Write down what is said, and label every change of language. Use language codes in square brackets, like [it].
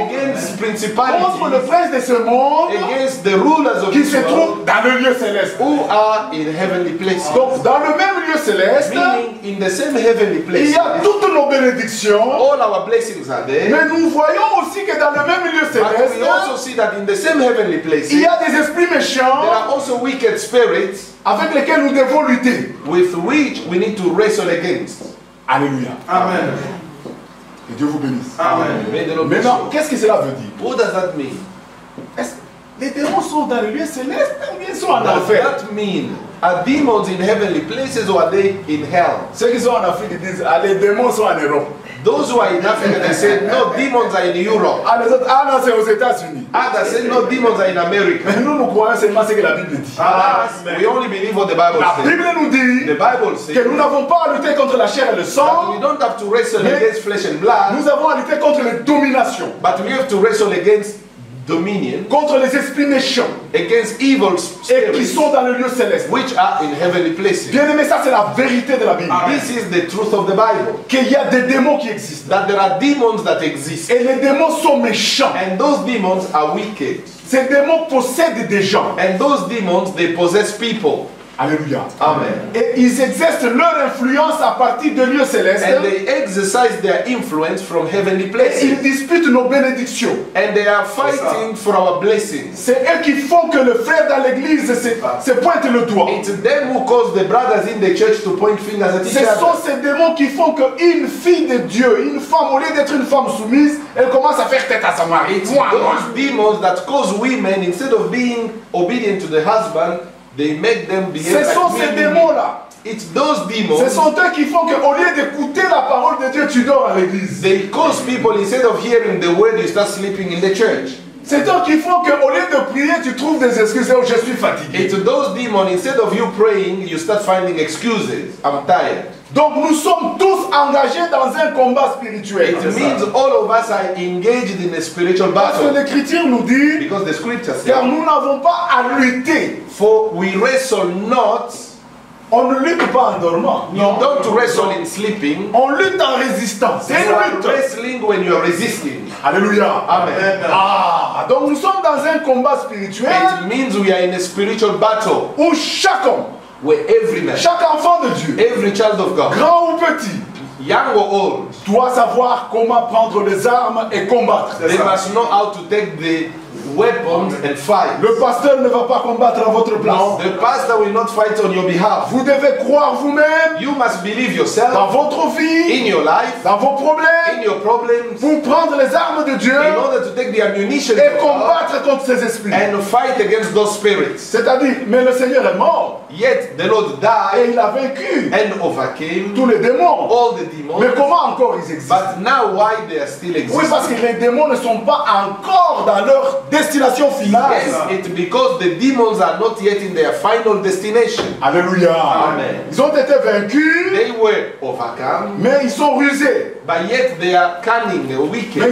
[en] against principalities, [fr] contre le prince de ce monde, [en] against the rulers of [fr] qui se trouvent dans le lieu céleste, [en] who are in heavenly places. [fr] Donc dans le même lieu céleste, [en] meaning in the same heavenly place, [fr] il y a toutes nos bénédictions, [en] all our blessings are there, [fr] mais nous voyons aussi que dans le même lieu céleste, [en] but we also see that in the same heavenly place, [fr] il y a des esprits méchants, [en] there are also wicked spirits, [fr] avec lesquels nous devons lutter, [en] with which we need to wrestle against. [fr] Alléluia. [en] Amen. [fr] Et Dieu vous bénisse. [en] Amen. [fr] Maintenant, qu'est-ce que cela veut dire? [en] What does that mean? [fr] Les démons sont dans le lieu céleste ou bien sont en enfer? [en] That mean? Are demons in heavenly places or are they in hell? [fr] Ceux qui sont en Afrique disent, ah, les démons sont en Europe. [en] Those who are in Africa, they say, no, demons are in Europe. [fr] Ah, les autres, ah non, c'est aux États-Unis. [en] Others say, no, demons are in America. [fr] Mais nous, nous croyons seulement ce que la Bible dit. [en] Ah, we only believe what the Bible says. [fr] La Bible nous dit, [en] the Bible says, [fr] que nous n'avons pas à lutter contre la chair et le sang, [en] we don't have to wrestle against flesh and blood. [fr] Nous avons à lutter contre les dominations. [en] But we have to wrestle against dominion, [fr] contre les esprits méchants, [en] against evil spirits, [fr] et qui sont dans le lieu céleste, [en] which are in heavenly places. [fr] Bien aimé, ça c'est la vérité de la Bible. [en] Amen. This is the truth of the Bible. [fr] Qu'il y a des démons qui existent. [en] That there are demons that exist. [fr] Et les démons sont méchants. [en] And those demons are wicked. [fr] Ces démons possèdent des gens. [en] And those demons, they possess people. [fr] Alléluia. [en] Amen. [fr] Et ils exercent leur influence à partir de lieux célestes. [en] And they exercise their influence from heavenly places. [fr] Et ils disputent nos bénédictions. [en] And they are fighting for our blessings. [fr] C'est eux qui font que le frère dans l'église se pointe le doigt. [en] It's them who cause the brothers in the church to point fingers at each other. [fr] Ce sont ces démons qui font que une fille de Dieu, une femme, au lieu d'être une femme soumise, elle commence à faire tête à son mari. [en] It's those demons that cause women, instead of being obedient to the husband, they make them behave. [fr] Ce sont ces démons-là. [en] It's those demons. [fr] Ce sont eux qui font que au lieu d'écouter la parole de Dieu, tu dors à l'église. [en] They cause people, instead of hearing the word, you start sleeping in the church. [fr] C'est eux qui font que au lieu de prier, tu trouves des excuses. Oh, je suis fatigué. [en] It's those demons, instead of you praying, you start finding excuses. I'm tired. [fr] Donc nous sommes tous engagés dans un combat spirituel. [en] It means all of us are engaged in a spiritual battle. [fr] Parce que l'Écriture nous dit, [en] because the scripture says, [fr] car nous n'avons pas à lutter, [en] for we wrestle not [fr] On ne lutte pas en dormant. [en] You don't wrestle in sleeping. [fr] On lutte en résistant. C'est une lutte. [en] Wrestling when you are resisting. [fr] Alléluia. [en] Amen. [fr] Ah, donc nous sommes dans un combat spirituel. [en] It means we are in a spiritual battle. [fr] Où chaque homme, [en] where every man, [fr] chaque enfant de Dieu, [en] every child of God, [fr] grand ou petit, [en] young or old, [fr] doit savoir comment prendre des armes et combattre. [en] They must know how to take the weapons and fight. [fr] Le pasteur ne va pas combattre à votre place. [en] No, the pastor will not fight on your behalf. [fr] Vous devez croire vous-même. [en] You must believe yourself. [fr] Dans votre vie. [en] In your life. [fr] Dans vos problèmes. [en] In your problems. [fr] Vous prendre les armes de Dieu. [en] In order to take the ammunition. [fr] Et combattre contre ces esprits. [en] And fight against those spirits. [fr] C'est-à-dire, mais le Seigneur est mort. [en] Yet the Lord died. [fr] Et il a vaincu. [en] And overcame. [fr] Tous les démons. [en] All the demons. [fr] Mais comment encore ils existent? [en] But now why they are still existing? [fr] Oui, parce que les démons ne sont pas encore dans leur destination finale. [en] Yes, it's because the demons are not yet in their final destination. [fr] Alléluia. [en] Amen. [fr] Ils ont été vaincus. [en] They were overcome. [fr] Mais ils sont rusés. [en] But yet they are cunning, they are wicked.